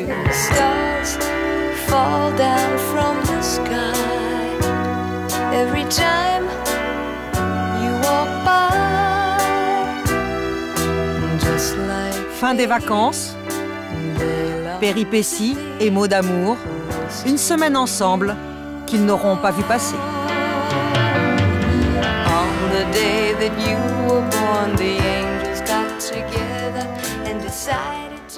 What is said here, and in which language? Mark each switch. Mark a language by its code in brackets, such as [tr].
[en] Stars fall down from the sky every time you walk by. [fr] Fin des vacances, péripéties et mots d'amour, une semaine ensemble qu'ils n'auront pas vu passer. [en] On the day that you were born, the angels got together and decided.